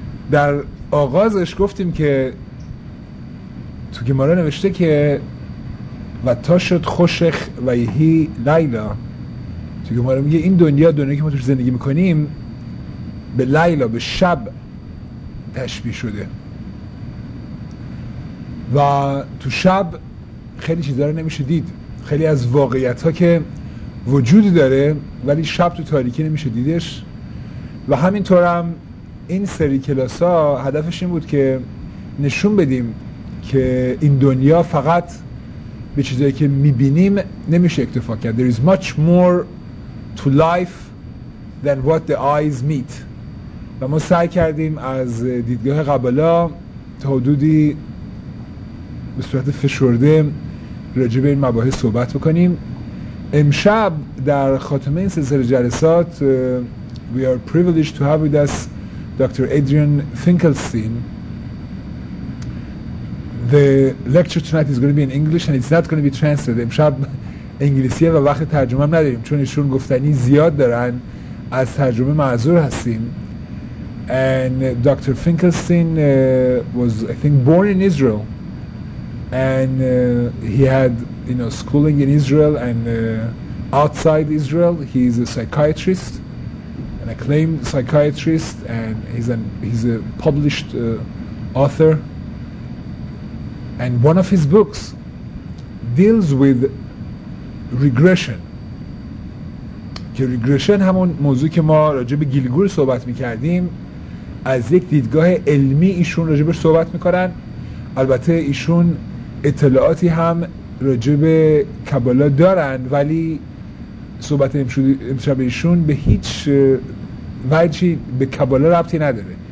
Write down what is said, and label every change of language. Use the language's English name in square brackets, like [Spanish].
[Persian] در آغازش گفتیم که تو گمارا نوشته که و تا شد خوشخ و یهی لیلا، تو گمارا میگه این دنیا، دنیا که ما توش زندگی میکنیم، به لیلا، به شب تشبیه شده و تو شب خیلی چیزا رو نمیشه دید، خیلی از واقعیت ها که وجود داره ولی شب تو تاریکی نمیشه دیدش. و همینطورم این سری کلاس ها هدفش این بود که نشون بدیم که این دنیا فقط به چیزایی که میبینیم نمیشه اکتفا کرد. [English] There is much more to life than what the eyes meet. [Persian] و ما سعی کردیم از دیدگاه قبلا تا حدودی به صورت فشرده راجع به این مباحث صحبت بکنیم. امشب در خاتمه این سلسله جلسات [English] We are privileged to have with us Dr. Adrian Finkelstein. The lecture tonight is going to be in English and it's not going to be translated. [Persian] امشب انگلیسیه و وقت ترجمه هم نداریم، چون ایشون گفتنی زیاد دارن، از ترجمه معذور هستیم. [English] And Dr. Finkelstein was, I think, born in Israel. And he had, you know, schooling in Israel and outside Israel. He's a psychiatrist, an acclaimed psychiatrist, and he's a published author. And one of his books deals with regression. [Persian] که regression همون موضوعی که ما راجع به گیلگور صحبت میکردیم، از یک دیدگاه علمی ایشون راجع بهش صحبت میکنن. البته ایشون اطلاعاتی هم راجع به کابالا دارن، ولی صحبت امشب ایشون به هیچ وجهی به کابالا ربطی نداره.